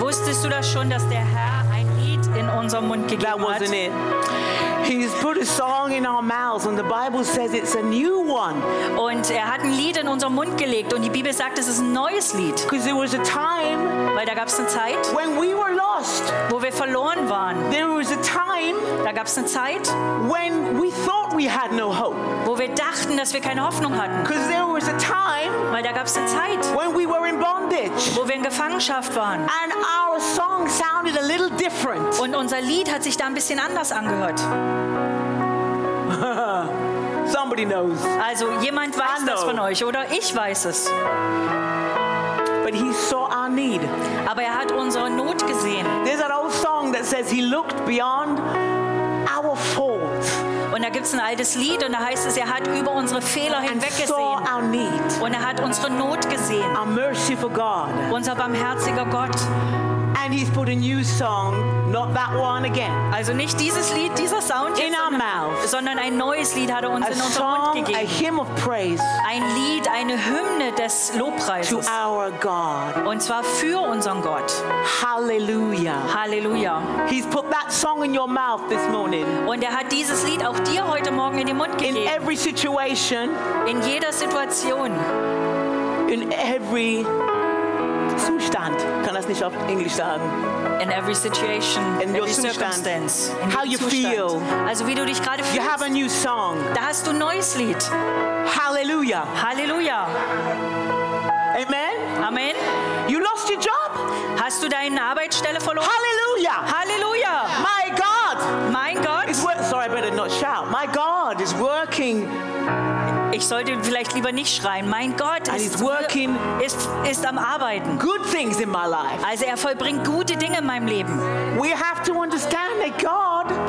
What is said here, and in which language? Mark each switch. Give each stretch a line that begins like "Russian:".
German: Wusstest du das schon, dass der Herr ein Lied in unserem Mund gegeben hat?
English: That wasn't it. He's put a song in our mouths, and the Bible says it's a new one.
German: Und hat ein Lied in unseren Mund gelegt, und die Bibel sagt, es ist ein neues Lied.
English: Because there was a time,
German: weil da gab's eine Zeit,
English: when we were lost,
German: wo wir verloren waren.
English: There was a time,
German: da gab's eine Zeit,
English: when we thought we had no hope,
German: wo wir dachten, dass wir keine Hoffnung hatten.
English: Because there was a time,
German: weil da gab's eine Zeit,
English: when we were in bondage,
German: wo wir in Gefangenschaft waren.
English: And our song sounded a little different.
German: Und unser Lied hat sich da ein bisschen anders angehört.
English: Somebody knows.
German: Also jemand weiß das von euch, oder ich weiß es.
English: But he saw our need.
German: Aber hat unsere Not gesehen.
English: There's an old song that says he looked beyond our faults.
German: Und da gibt's ein altes Lied und da heißt es, hat über unsere Fehler hinweggesehen. Und hat unsere Not gesehen.
English: Our merciful God.
German: Unser barmherziger Gott.
English: And he's put a new song. Not that one again.
German: Also nicht dieses Lied, dieser Sound
English: in our mouth,
German: sondern ein neues Lied hat uns in unseren Mund gegeben.
English: A hymn of praise.
German: Ein Lied, eine Hymne des Lobpreises.
English: To our God.
German: Und zwar für unseren Gott. Hallelujah. Hallelujah.
English: He's put that song in your mouth this morning.
German: Und hat dieses Lied auch dir heute Morgen in den Mund gegeben.
English: In every situation.
German: In jeder Situation.
English: In every Zustand.
German: Kann das nicht auf Englisch sagen?
English: In every situation, in every your circumstance, in how you
German: Zustand.
English: Feel.
German: Also wie du dich gerade fühlst.
English: You have a new song.
German: Da hast du ein neues Lied. Hallelujah. Hallelujah. Amen. Amen.
English: You lost your job?
German: Hast du deine Arbeitsstelle verloren? Hallelujah. Hallelujah.
English: My God.
German: Mein Gott.
English: Sorry, I better not shout. My God is working.
German: Ich sollte vielleicht lieber nicht schreien. Mein Gott ist am Arbeiten.
English: Good things in my life.
German: Also vollbringt gute Dinge in meinem Leben.
English: We have to understand that God.